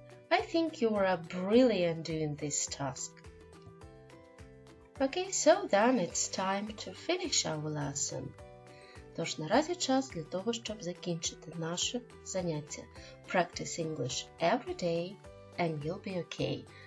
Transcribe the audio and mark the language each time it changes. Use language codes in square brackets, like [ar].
[en] I think you are brilliant doing this task. Okay, so then it's time to finish our lesson. [uk] Тож наразі час для того, щоб закінчити наше заняття. [en] Practice English every day and you'll be okay.